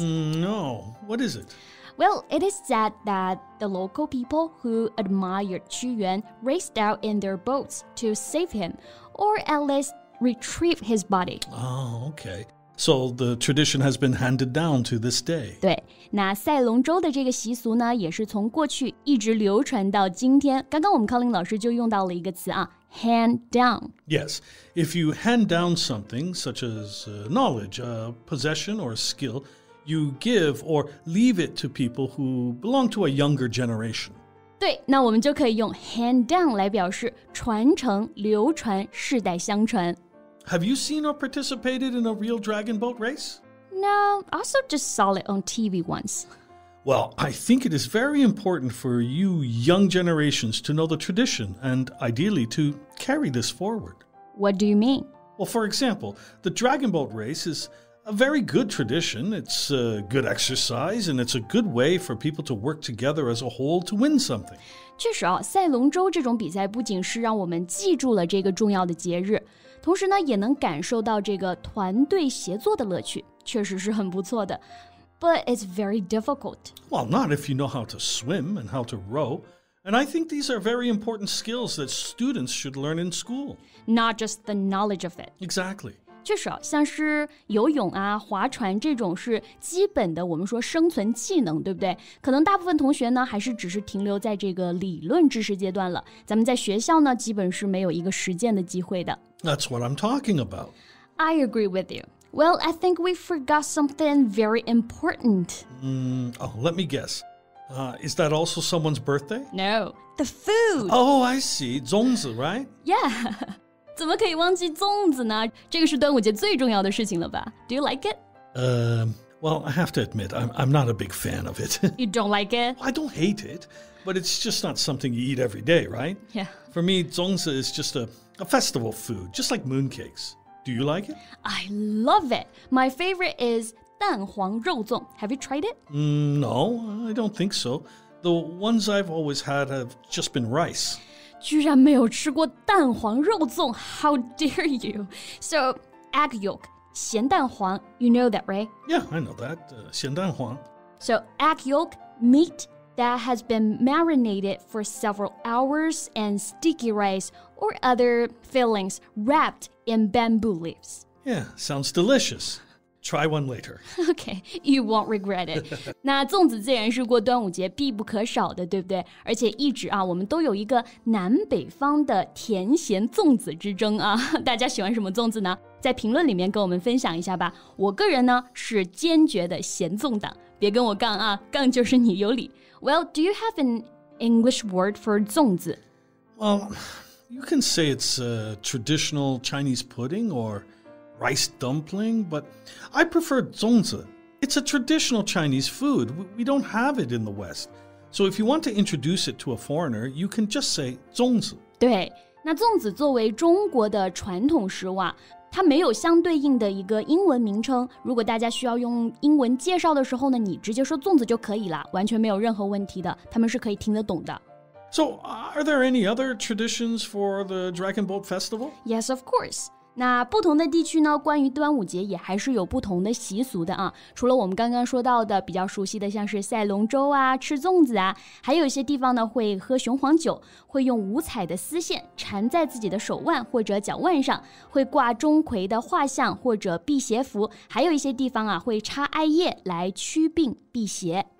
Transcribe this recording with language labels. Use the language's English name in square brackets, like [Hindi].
[English] No. What is it? Well, it is said that the local people who admired 屈原 raced out in their boats to save him, or at least retrieve his body. Oh, okay. So the tradition has been handed down to this day. [Chinese] 对，那赛龙舟的这个习俗呢，也是从过去一直流传到今天。刚刚我们 Colin 老师就用到了一个词啊 ，hand down. [English] Yes, if you hand down something such as knowledge, a possession, or a skill, you give or leave it to people who belong to a younger generation. [Chinese] 对，那我们就可以用 hand down 来表示传承、流传、世代相传。 [English] Have you seen or participated in a real dragon boat race? No, also just saw it on TV once. Well, I think it is very important for you young generations to know the tradition and ideally to carry this forward. What do you mean? Well, for example, the dragon boat race is a very good tradition. It's a good exercise and it's a good way for people to work together as a whole to win something. [Chinese] 确实啊，赛龙舟这种比赛不仅是让我们记住了这个重要的节日，同时呢，也能感受到这个团队协作的乐趣，确实是很不错的。 [English] But it's very difficult. Well, not if you know how to swim and how to row. And I think these are very important skills that students should learn in school. Not just the knowledge of it. Exactly. [Chinese] 确实，像是游泳啊、划船这种是基本的，我们说生存技能，对不对？可能大部分同学呢，还是只是停留在这个理论知识阶段了。咱们在学校呢，基本是没有一个实践的机会的。 [English] That's what I'm talking about. I agree with you. Well, I think we forgot something very important. Let me guess. Is that also someone's birthday? No, the food. Oh, I see. 粽子, right? [Chinese] Yeah. 怎么可以忘记粽子呢？这个是端午节最重要的事情了吧 ？ [English] Do you like it? Well, I have to admit, I'm not a big fan of it. You don't like it? I don't hate it, but it's just not something you eat every day, right? Yeah. For me, 粽子 is just a, a festival food, just like mooncakes. Do you like it? I love it. My favorite is 蛋黄肉粽.Have you tried it? No, I don't think so. The ones I've always had have just been rice. [Chinese] 居然没有吃过蛋黄肉粽. [English] How dare you? So, egg yolk, 咸蛋黄, you know that, right? Yeah, I know that, 咸蛋黄. So, egg yolk, meat that has been marinated for several hours and sticky rice or other fillings wrapped in bamboo leaves. Yeah, sounds delicious. Try one later. Okay, you won't regret it. [Chinese] 那粽子自然是过端午节必不可少的，对不对？而且一直啊，我们都有一个南北方的甜咸粽子之争啊。大家喜欢什么粽子呢？在评论里面跟我们分享一下吧。我个人呢，是坚决的咸粽党。别跟我杠啊，杠就是你有理。 [English] Well, do you have an English word for 粽子? Well, you can say it's a traditional Chinese pudding or... Rice dumpling, but I prefer 粽子.It's a traditional Chinese food. We don't have it in the West. So if you want to introduce it to a foreigner, you can just say 粽子. [Chinese] 对，那粽子作为中国的传统食物啊，它没有相对应的一个英文名称。如果大家需要用英文介绍的时候呢，你直接说粽子就可以了，完全没有任何问题的，他们是可以听得懂的。 [English] So are there any other traditions for the Dragon Boat Festival? Yes, of course. [Chinese] 那不同的地区呢，关于端午节也还是有不同的习俗的啊。除了我们刚刚说到的比较熟悉的像是赛龙舟啊、吃粽子啊，还有一些地方呢会喝雄黄酒，会用五彩的丝线缠在自己的手腕或者脚腕上，会挂钟馗的画像或者辟邪符，还有一些地方啊会插艾叶来驱病辟邪。